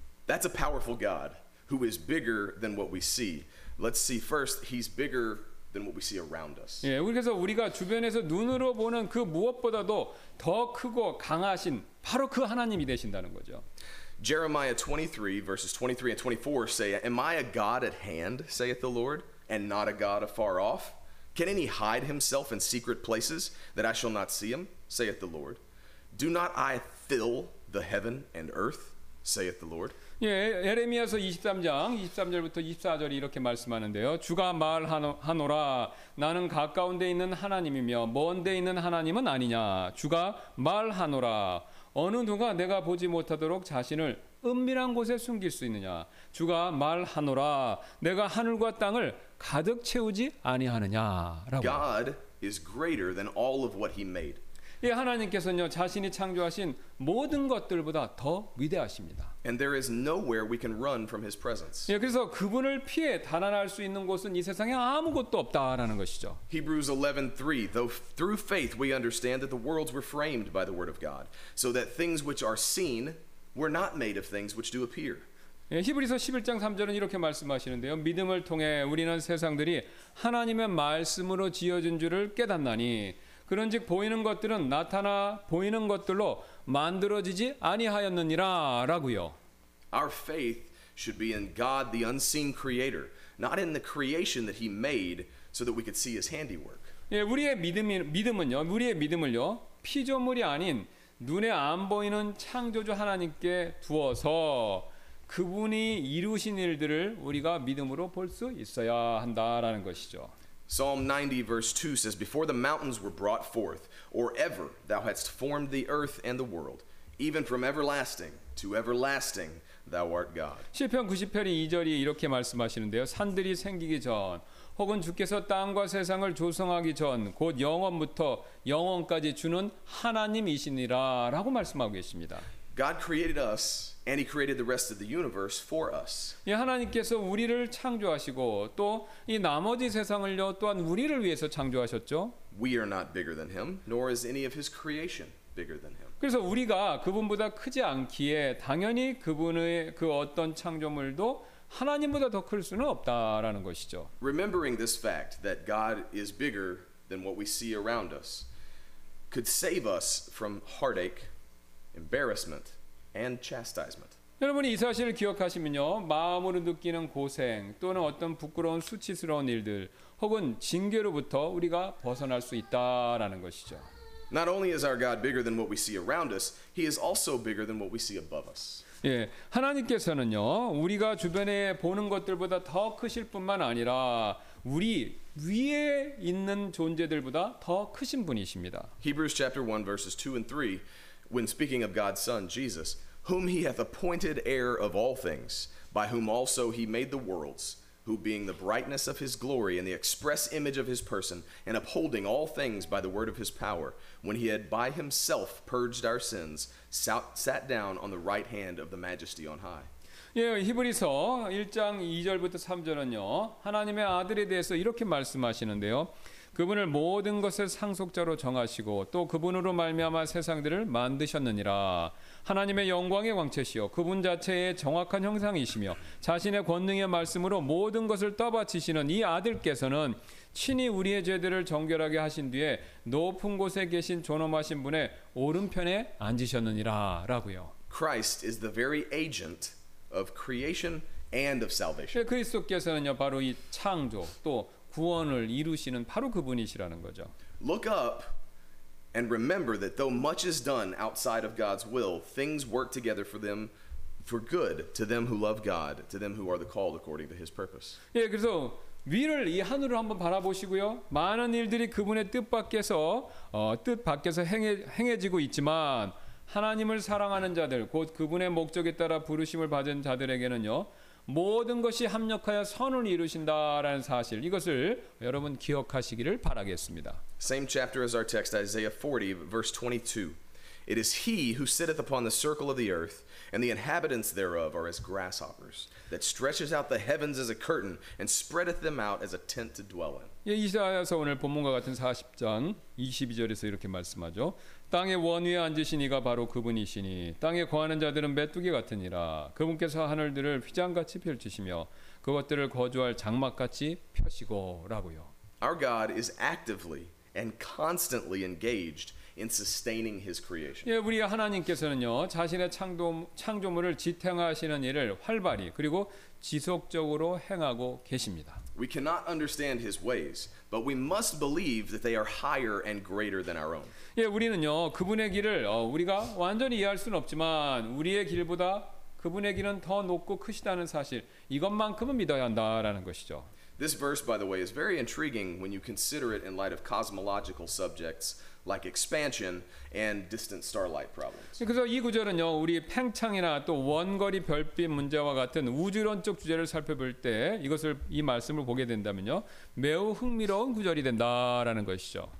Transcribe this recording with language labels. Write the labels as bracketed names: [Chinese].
[English] That's a powerful God who is bigger than what we see. Let's see first, He's bigger than what we see around us. [Korean] 예, 그래서 우리가 주변에서 눈으로 보는 그 무엇보다도 더 크고 강하신 바로 그 하나님이 되신다는 거죠. [English] Jeremiah 23 verses 23 and 24 say, "Am I a God at hand, saith the Lord, and not a God afar off? Can any hide himself in secret places that I shall not see him, saith the Lord? Do not I fill the heaven and earth, saith the Lord?" [Korean] 예, 예레미야서 23장 23절부터 24절이 이렇게 말씀하는데요. 주가 말하노라 나는 가까운데 있는 하나님이며 먼데 있는 하나님은 아니냐. 주가 말하노라 어느 누가 내가 보지 못하도록 자신을 은밀한 곳에 숨길 수 있느냐. 주가 말하노라 내가 하늘과 땅을 가득 채우지 아니하느냐. [English] God is greater than all of what he made. [Korean] 예, 하나님께서는요 자신이 창조하신 모든 것들보다 더 위대하십니다. [English] And there is nowhere we can run from his presence. [Korean] 예, 그래서 그분을 피해 달아날 수 있는 곳은 이 세상에 아무것도 없다라는 것이죠. [English] Hebrews 11:3, though through faith we understand that the worlds were framed by the word of God, so that things which are seen were not made of things which do appear. [Korean] 예, 히브리서 11장 3절은 이렇게 말씀하시는데요. 믿음을 통해 우리는 세상들이 하나님의 말씀으로 지어진 줄을 깨닫나니 그런즉 보이는 것들은 나타나 보이는 것들로 만들어지지 아니하였느니라라고요. [English] Our faith should be in God, the unseen creator, not in the creation that he made so that we could see his handiwork. [Korean] 예, 우리의 믿음은요. 우리의 믿음을요. 피조물이 아닌 눈에 안 보이는 창조주 하나님께 두어서 그분이 이루신 일들을 우리가 믿음으로 볼 수 있어야 한다라는 것이죠. [English] Psalm 90 verse 2 says, "Before the mountains were brought forth, or ever thou hadst formed the earth and the world, even from everlasting to everlasting thou art God." [Korean] 시편 90편 2절이 이렇게 말씀하시는데요. 산들이 생기기 전 혹은 주께서 땅과 세상을 조성하기 전 곧 영원부터 영원까지 주는 하나님이시니라라고 말씀하고 계십니다. [English] God created us and he created the rest of the universe for us. [Korean] 예, 하나님께서 우리를 창조하시고 또 이 나머지 세상을요 또한 우리를 위해서 창조하셨죠. [English] We are not bigger than him, nor is any of his creation bigger than him. [Korean] 그래서 우리가 그분보다 크지 않기에 당연히 그분의 그 어떤 창조물도 하나님보다 더 클 수는 없다라는 것이죠. [English] Remembering this fact that God is bigger than what we see around us could save us from heartache, embarrassment, and chastisement. [Korean] 여러분이 이 사실을 기억하시면요, 마음으로 느끼는 고생 또는 어떤 부끄러운 수치스러운 일들 혹은 징계로부터 우리가 벗어날 수 있다라는 것이죠. [English] Not only is our God bigger than what we see around us, he is also bigger than what we see above us. [Korean] 예, 하나님께서는요 우리가 주변에 보는 것들보다 더 크실 뿐만 아니라 우리 위에 있는 존재들보다 더 크신 분이십니다. [English] Hebrews chapter 1 verses 2 and 3 when speaking of God's son Jesus, whom he hath appointed heir of all things, by whom also he made the worlds, who being the brightness of his glory and the express image of his person and upholding all things by the word of his power, when he had by himself purged our sins, sat down on the right hand of the majesty on high. [Korean] 예, 히브리서 1장 2절부터 3절은요. 하나님의 아들에 대해서 이렇게 말씀하시는데요. 그분을 모든 것을 상속자로 정하시고 또 그분으로 말미암아 세상들을 만드셨느니라. 하나님의 영광의 광채시요 그분 자체의 정확한 형상이시며 자신의 권능의 말씀으로 모든 것을 떠받치시는 이 아들께서는 친히 우리의 죄들을 정결하게 하신 뒤에 높은 곳에 계신 존엄하신 분의 오른편에 앉으셨느니라 라고요. [English] Christ is the very agent of creation and of salvation. [Korean] 그리스도께서는요 바로 이 창조 또 구원을 이루시는 바로 그분이시라는 거죠. [English] Look up and remember that though much is done outside of God's will, things work together for them for good to them who love God, to them who are the called according to his purpose. [Korean] 예, 그래서 위를 이 하늘을 한번 바라보시고요. 많은 일들이 그분의 뜻 밖에서 행해지고 있지만 하나님을 사랑하는 자들 곧 그분의 목적에 따라 부르심을 받은 자들에게는요. 모든 것이 합력하여 선을 이루신다라는 사실 이것을 여러분 기억하시기를 바라겠습니다. [English] Same chapter as our text, Isaiah 40, verse 22. It is he who sitteth upon the circle of the earth, and the inhabitants thereof are as grasshoppers, that stretches out the heavens as a curtain, and spreadeth them out as a tent to dwell in. [Korean] 예, 이사야서 오늘 본문과 같은 40장 22절에서 이렇게 말씀하죠. 땅의 원위에 앉으신 이가 바로 그분이시니 땅에 거하는 자들은 메뚜기 같으니라. 그분께서 하늘들을 휘장같이 펼치시며 그것들을 거주할 장막같이 펴시고 라고요. [English] Our God is actively and constantly engaged in sustaining his creation. [Korean] 예, 우리 하나님께서는요 자신의 창조물을 지탱하시는 일을 활발히 그리고 지속적으로 행하고 계십니다. [English] We cannot understand his ways, but we must believe that they are higher and greater than our own. [Korean] 예, 우리는요 그분의 길을 우리가 완전히 이해할 수는 없지만 우리의 길보다 그분의 길은 더 높고 크시다는 사실 이것만큼은 믿어야 한다라는 것이죠. [English] This verse, by the way, is very intriguing when you consider it in light of cosmological subjects like expansion and distant starlight problems. [Korean] 그래서 이 구절은요 우리 팽창이나 또 원거리 별빛 문제와 같은 우주론적 주제를 살펴볼 때 이것을 이 말씀을 보게 된다면요 매우 흥미로운 구절이 된다라는 것이죠.